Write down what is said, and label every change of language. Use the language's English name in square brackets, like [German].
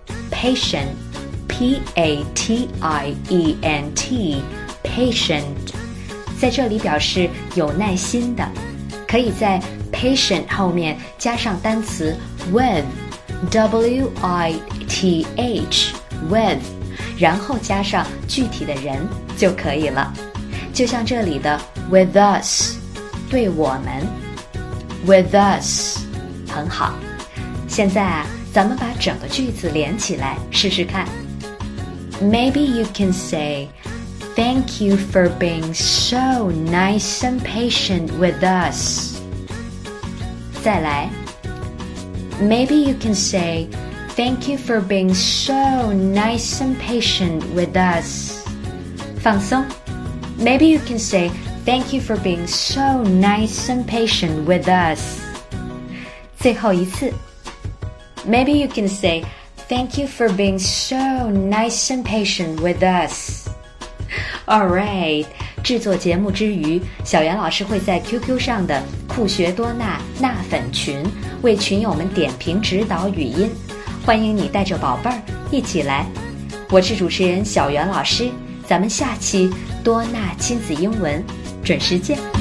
[Chinese] Patient, P-A-T-I-E-N-T, patient, 在这里表示有耐心的，可以在 patient 后面加上单词 with,W-I-T-H with 然后加上具体的人就可以了，就像这里的 with us 对我们 with us 很好。现在啊，咱们把整个句子连起来试试看。 [English] Maybe you can say Thank you for being so nice and patient with us. [Chinese] 再来， [English] Maybe you can say, thank you for being so nice and patient with us. [Chinese] 放松。 [English] Maybe you can say, thank you for being so nice and patient with us. [Chinese] 最后一次。 [English] Maybe you can say, thank you for being so nice and patient with us. All right. [Chinese] 制作节目之余，小袁老师会在 QQ 上的酷学多纳纳粉群为群友们点评指导语音，欢迎你带着宝贝儿一起来。我是主持人小袁老师，咱们下期多纳亲子英文准时见。